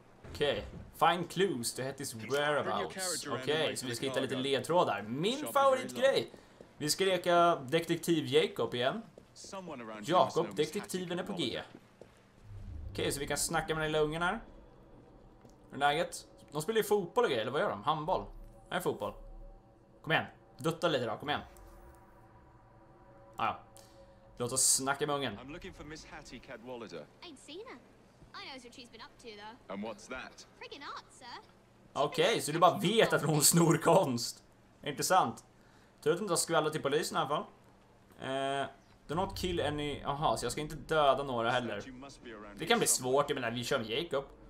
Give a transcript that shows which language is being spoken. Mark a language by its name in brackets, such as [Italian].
[English] Okej, find clues to Hetty's whereabouts. [Swedish] Okej, så vi ska hitta lite ledtrådar. Min favoritgrej. Vi ska leka detektiv Jacob igen. Jacob, detektiven är på G. Okej, så vi kan snacka med den lilla ungen här. Hur är läget? De spelar ju fotboll och grejer, eller vad gör de? Handboll? Nej, fotboll. Kom igen, dutta lite då, kom igen. Ja. Låt oss snacka med ungen. [English] I'm looking for Miss Hattie Cadwallader. I'd seen her. I knows what she's been up to though. And what's that? Friggin' art, sir. [Swedish] Okej, så du bara vet att hon snor konst. Intressant. Tror inte att jag skvallar till polisen i alla fall. [English] Do not kill any. [Swedish] Aha, så jag ska inte döda några heller. Det kan bli svårt, jag menar, vi kör med Jacob.